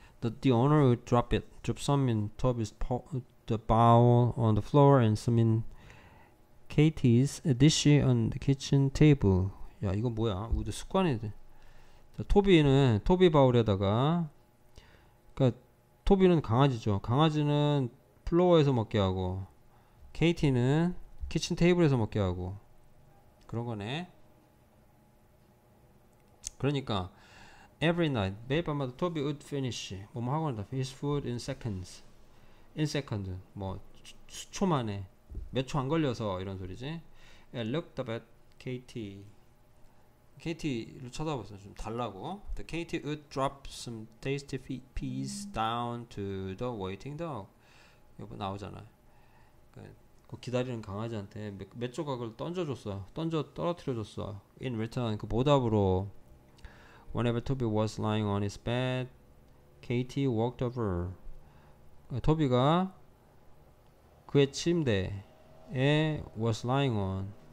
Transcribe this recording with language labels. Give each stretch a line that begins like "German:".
English: The owner would drop it, drop some in Toby's the bowl on the floor and some in Katie's dish on the kitchen table.
Korean: 야, 이거 뭐야? 우드 습관이 돼. 토비는 토비 바울에다가, 그러니까 토비는 강아지죠. 강아지는 플로어에서 먹게 하고, 케이티는 키친 테이블에서 먹게 하고 그런 거네. 그러니까
English: every night
Korean: 매일 밤마다 토비
English: would finish
Korean: 뭐뭐 하고 난다.
English: his food in seconds,
Korean: 뭐 수초 만에 몇초안 걸려서 이런 소리지.
English: and looked up at Katie.
Korean: KT를 쳐다봤어요. 좀 달라고.
English: The KT would drop some tasty peas down to the waiting dog.
Korean: 이거 나오잖아. 그 기다리는 강아지한테 몇 조각을 던져줬어. 던져 떨어뜨려줬어.
English: In return,
Korean: 그 보답으로.
English: Whenever Toby was lying on his bed, KT walked over.
Korean: 토비가 그의 침대에
English: was lying on.